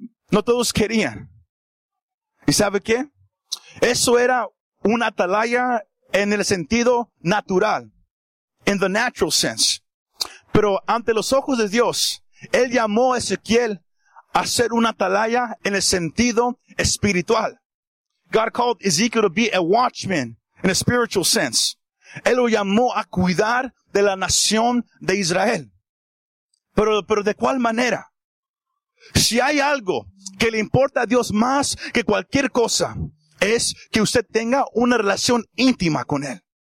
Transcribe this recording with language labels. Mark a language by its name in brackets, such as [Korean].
[Spanish] No todos querían. ¿Y sabe qué? Eso era un atalaya en el sentido natural. [English] In the natural sense. [Spanish] Pero ante los ojos de Dios, Él llamó a Ezequiel a ser un atalaya en el sentido espiritual. [English] God called Ezekiel to be a watchman in a spiritual sense. [Spanish] Él lo llamó a cuidar de la nación de Israel. Pero ¿de cuál manera? Si hay algo que le importa a Dios más que cualquier cosa, es que usted tenga una relación íntima con Él.